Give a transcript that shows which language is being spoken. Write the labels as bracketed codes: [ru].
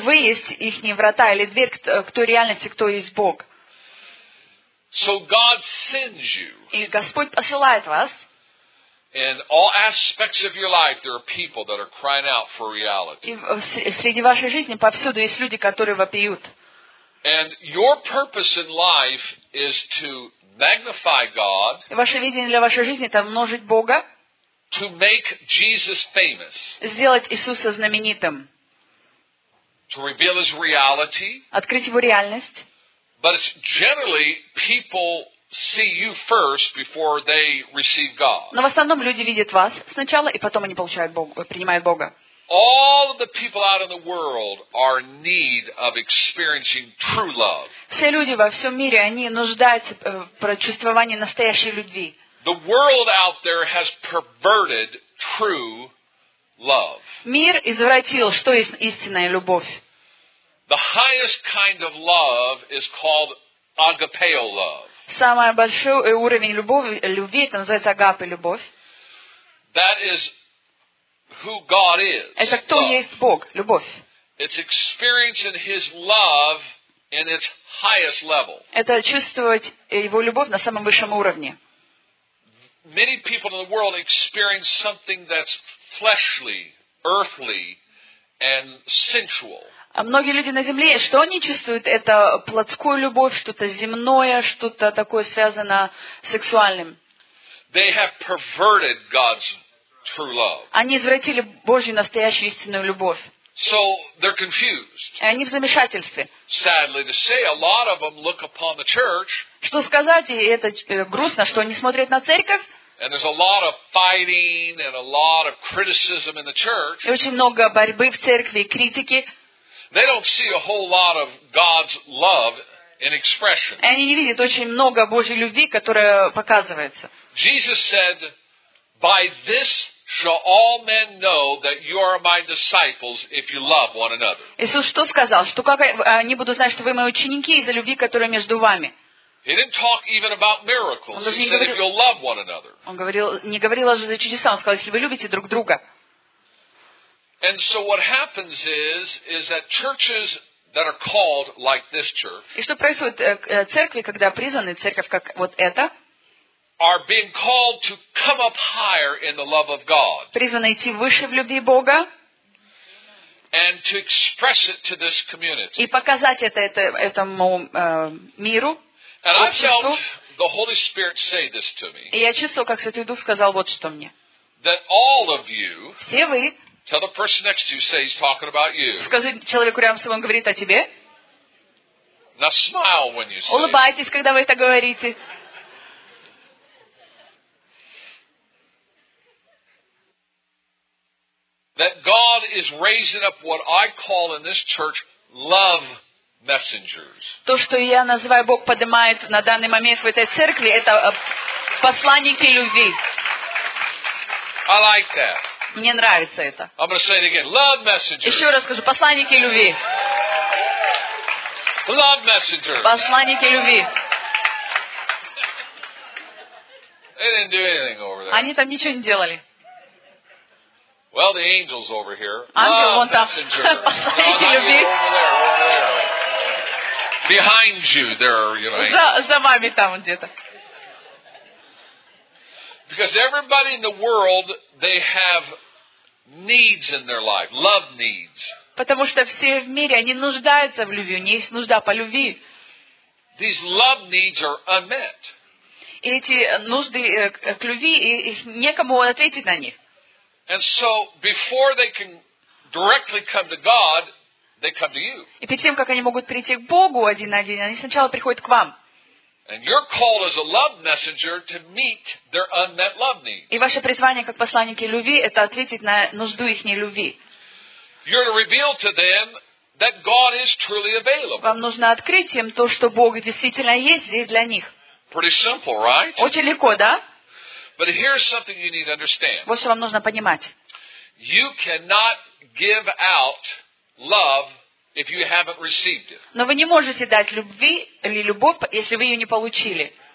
[ru] Вы есть их врата или дверь к той реальности, кто есть Бог. [en] So God sends you. [ru] И Господь посылает вас. [en] In all aspects of your life, there are people that are crying out for reality. [ru] И среди вашей жизни повсюду есть люди, которые вопиют. [en] And your purpose in life is to magnify God. [ru] И ваше видение для вашей жизни – это множить Бога. [en] To make Jesus famous. [ru] Сделать Иисуса знаменитым. [en] To reveal His reality. [ru] Открыть Его реальность. [en] But it's generally people see you first before they receive God. [ru] Но в основном люди видят вас сначала, и потом они получают Бога, принимают Бога. [en] All of the people out in the world are in need of experiencing true love. [ru] Все люди во всем мире, они нуждаются в прочувствовании настоящей любви. [en] The world out there has perverted true love. [ru] Мир извратил, что есть истинная любовь. [en] The highest kind of love is called agapeo love. [ru] Самый большой уровень любви это называется агапе любовь. [en] That is who God is. [ru] Это кто есть Бог, любовь. [en] It's experiencing His love in its highest level. [ru] Это чувствовать Его любовь на самом высшем уровне. [en] Many people in the world experience something that's fleshly, earthly, and sensual. [ru] А многие люди на земле, что они чувствуют? Это плотскую любовь, что-то земное, что-то такое связано с сексуальным. [en] They have perverted God's true love. [ru] Они извратили Божью настоящую истинную любовь. [en] So they're confused. [ru] И они в замешательстве. [en] Sadly to say, a lot of them look upon the church. [ru] Что сказать, и это грустно, что они смотрят на церковь. [en] And there's a lot of fighting and a lot of criticism in the church. [ru] И очень много борьбы в церкви, критики. [en] They don't see a whole lot of God's love in expression. [ru] Они не видят очень много Божьей любви, которая показывается. [en] Jesus said, "By this shall all men know that you are my disciples if you love one another." [ru] Иисус что сказал? Что как они будут знать, что вы мои ученики из-за любви, которая между вами? [en] He didn't talk even about miracles. He said, "If you love one another." [ru] Он говорил, не говорил даже за чудеса, он сказал, если вы любите друг друга. [en] And so what happens is that churches that are called like this church. [ru] И что происходит церкви, когда призваны церковь как вот эта? [en] Are being called to come up higher in the love of God. [ru] Призваны идти выше в любви Бога. [en] And to express it to this community. [ru] И показать это этому миру. [en] And I felt the Holy Spirit say this to me. [ru] И я чувствовал, как Святой Дух сказал вот что мне. [en] That all of you. [ru] Все вы. [en] Tell the person next to you, say he's talking about you. [ru] Скажи человеку рядом с тобой, он говорит о тебе. [en] Now smile when you say. [ru] Улыбайтесь, когда вы это говорите. [en] That God is raising up what I call in this church love messengers. [ru] То, что я называю, Бог поднимает на данный момент в этой церкви, это посланники любви. [en] I like that. [ru] Мне нравится это. [en] I'm going to say it again. Love messengers. [ru] Еще раз скажу. Посланники любви. [en] Love messengers. [ru] Посланники любви. [en] They didn't do anything over there. [ru] Они там ничего не делали. [en] Well, the angels over here. [ru] Ангел [en] love [ru] вон там. [en] Messenger. [ru] Посланники любви. [en] Over there. Behind you, there are, you know, angels. [ru] За вами там где-то. [en] Because everybody in the world, they have needs in their life, love needs. [ru] Потому что все в мире, они нуждаются в любви, у них есть нужда по любви. [en] These love needs are unmet. [ru] И эти нужды к любви, их некому ответить на них. [en] And so, before they can directly come to God, they come to you. [ru] И перед тем, как они могут прийти к Богу один на один, они сначала приходят к вам. [en] And you're called as a love messenger to meet their unmet love needs. [ru] И ваше призвание как посланники любви это ответить на нужду ихней любви. [en] You're to reveal to them that God is truly available. [ru] Вам нужно открыть им то, что Бог действительно есть здесь для них. [en] Pretty simple, right? [ru] Очень легко, да? [en] But here's something you need to understand. [ru] Вот что вам нужно понимать. [en] You cannot give out love if you haven't received it. [ru] Но вы не можете дать любви или любовь, если вы ее не получили.